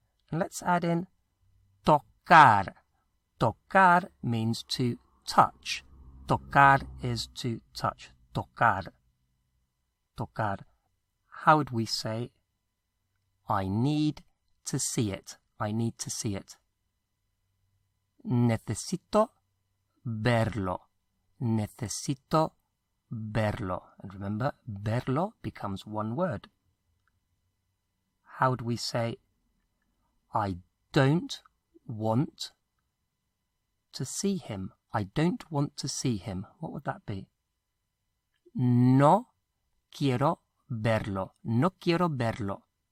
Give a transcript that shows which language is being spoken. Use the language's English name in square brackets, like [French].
[English] And let's add in tocar. Tocar means to touch. Tocar is to touch. Tocar, tocar. How would we say, I need to see it, I need to see it? [Spanish] Necesito verlo, necesito verlo. [English] And remember, verlo becomes one word. How would we say, I don't want to see him, I don't want to see him? What would that be? [Spanish] No quiero verlo. No quiero verlo.